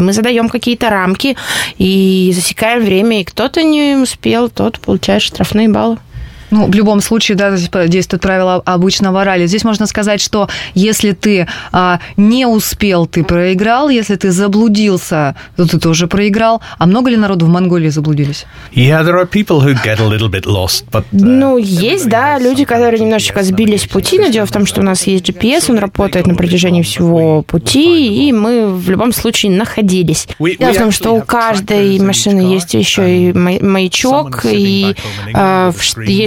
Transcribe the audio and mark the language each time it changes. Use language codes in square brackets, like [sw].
[ru] Мы задаем какие-то рамки и засекаем время, и кто-то не успел, тот получает штрафные баллы. Ну, в любом случае, да, здесь действуют правила обычного ралли. Здесь можно сказать, что если ты не успел, ты проиграл. Если ты заблудился, то ты тоже проиграл. А много ли народу в Монголии заблудились? [en] Yeah, there are people who get a little bit lost, but... [ru] Ну, есть, да, люди, которые немножечко сбились с пути, но дело в том, что у нас есть GPS, он работает на протяжении всего пути, и мы в любом случае находились. Дело в том, что у каждой машины есть еще и маячок, и есть...